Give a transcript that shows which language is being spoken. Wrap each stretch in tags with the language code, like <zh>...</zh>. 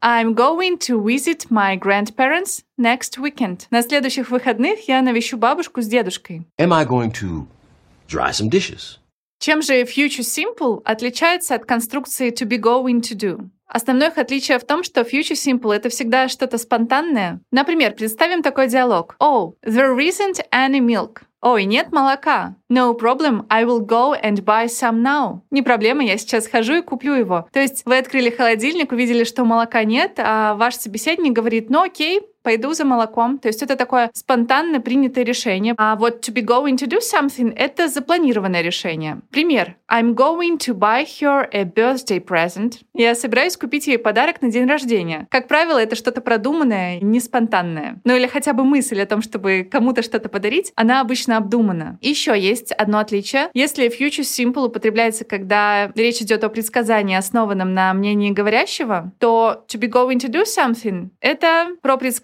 <en>I'm going to visit my grandparents next weekend.</en> <ru>На следующих выходных я навещу бабушку с дедушкой.</ru> <en>Am I going to dry some dishes?</en> <ru>Чем же future simple отличается от конструкции</ru> <en>to be going to do?</en> <ru>Основное их отличие в том, что future simple — это всегда что-то спонтанное. Например, представим такой диалог.</ru> <en>Oh, there isn't any milk.</en> <ru>Ой, нет молока.</ru> <en>No problem, I will go and buy some now.</en> <ru>Не проблема, я сейчас схожу и куплю его. То есть вы открыли холодильник, увидели, что молока нет, а ваш собеседник говорит, ну окей, пойду за молоком. То есть это такое спонтанно принятое решение. А вот</ru> <en>to be going to do something</en> <ru>— это запланированное решение. Пример.</ru> <en>I'm going to buy her a birthday present.</en> <ru>Я собираюсь купить ей подарок на день рождения. Как правило, это что-то продуманное, не спонтанное. Ну или хотя бы мысль о том, чтобы кому-то что-то подарить, она обычно обдумана. Еще есть одно отличие. Если future simple употребляется, когда речь идет о предсказании, основанном на мнении говорящего, то</ru> <en>to be going to do something</en> <ru>— это про предсказание.</ru>